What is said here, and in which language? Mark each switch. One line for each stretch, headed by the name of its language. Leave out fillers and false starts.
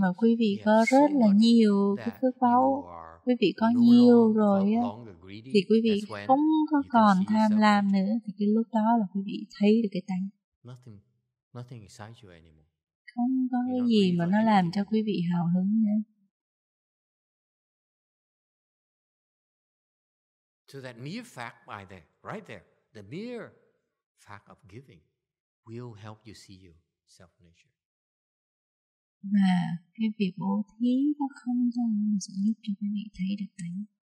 Vietnamese: mà quý vị có rất là nhiều cái phước báu, quý vị có nhiều rồi á, thì quý vị không có còn tham lam nữa, thì cái lúc đó là quý vị thấy được cái tánh.
English: Nothing excites you anymore.
Vietnamese: Không có cái gì mà nó làm cho quý vị hào hứng nữa.
English: So that mere fact by there, right there, the mere fact of giving will help you see yourself nature.
Vietnamese: Và cái việc bố thí nó không gian nó sẽ giúp cho quý vị thấy được tánh.